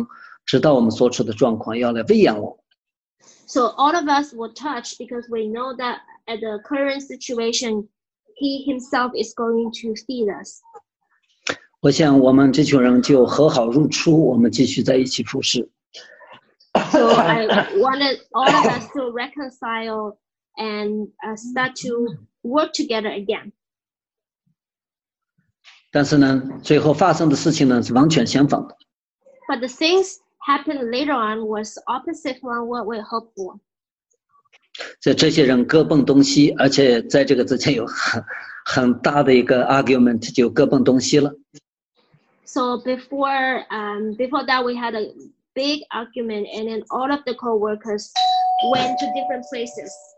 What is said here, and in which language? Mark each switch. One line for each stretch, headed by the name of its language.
Chinese: 当时大家就非常非常的感动，知道神就是让我们知道我们所处的状况，要来喂养我。
English: So all of us were touched because we know that at the current situation, he himself is going to feed us.
Chinese: 我想我们这群人就和好如初，我们继续在一起服侍。
English: So I wanted all of us to reconcile and start to work together again.
Chinese: 但是呢，最后发生的事情呢，是完全相反的。
English: But the things happened later on was opposite from what we hoped for.
Chinese: 这些人各奔东西，而且在这个之前有很大的一个 argument 就各奔东西了。
English: So before that we had a big argument, and then all of the co-workers went to different places.